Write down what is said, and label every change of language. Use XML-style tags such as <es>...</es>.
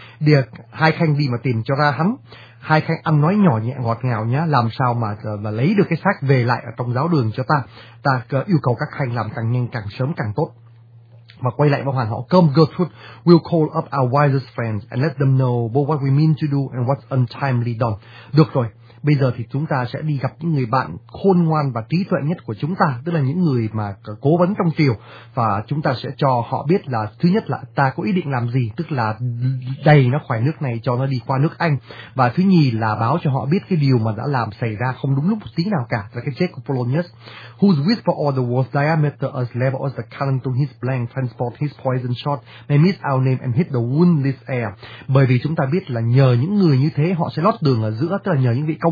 <vi>Điệt hai khanh đi mà tìm cho ra hắn. Hai khanh ăn nói nhỏ nhẹ ngọt ngào nhá, làm sao mà lấy được cái xác về lại ở trong giáo đường cho ta. Ta yêu cầu các khanh làm càng nhanh càng sớm càng tốt. Mà quay lại với hoàng hậu,</vi> <en>come Gertrude, we'll call up our wisest friends and let them know both what we mean to do and what's untimely done.</en> <vi>Được rồi, bây giờ thì chúng ta sẽ đi gặp những người bạn khôn ngoan và trí tuệ nhất của chúng ta, tức là những người mà cố vấn trong triều, và chúng ta sẽ cho họ biết là thứ nhất là ta có ý định làm gì, tức là đẩy nó khỏi nước này cho nó đi qua nước Anh, và thứ nhì là báo cho họ biết cái điều mà đã làm xảy ra không đúng lúc một tí nào cả, là cái chết của Polonius,</vi> <en>whose whisper all the world's diameter as level as the cannon to his blank transport his poison shot may miss our name and hit the woundless air.</en> <vi>Bởi vì chúng ta biết là nhờ những người như thế họ sẽ lót đường ở giữa, tức là nhờ những vị công</vi>